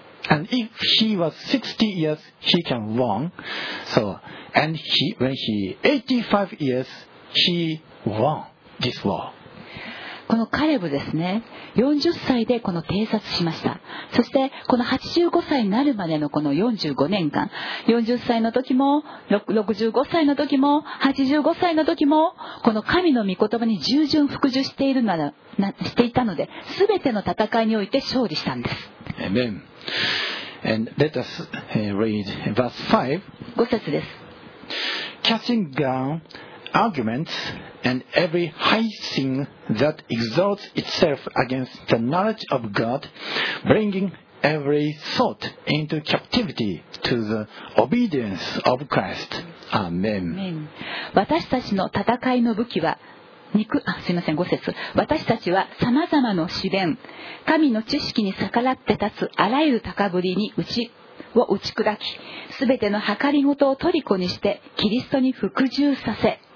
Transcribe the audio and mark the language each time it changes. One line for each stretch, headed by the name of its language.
English: And if he was 60 years, he can won. So, and he, when he 85 years, he won this war.
Japanese: このカレブですね、40歳でこの偵察しました。そしてこの85歳になるまでのこの45年間、40歳の時も65歳の時も85歳の時もこの神の御言葉に従順服従しているならなしていたので、全ての戦いにおいて勝利したんです。アメン。
English: And let us read verse 5.
Japanese: 5節です。
English: Catching down arguments and every high thing that exalts itself against the knowledge of God, bringing every thought into captivity to the obedience of Christ. Amen.
Japanese: 私たちの戦いの武器は肉、あ、すいません、5節。私たちは様々の試練、神の知識に逆らって立つあらゆる高ぶりに打ち砕き、すべての計りごとをとりこにしてキリストに服従させ。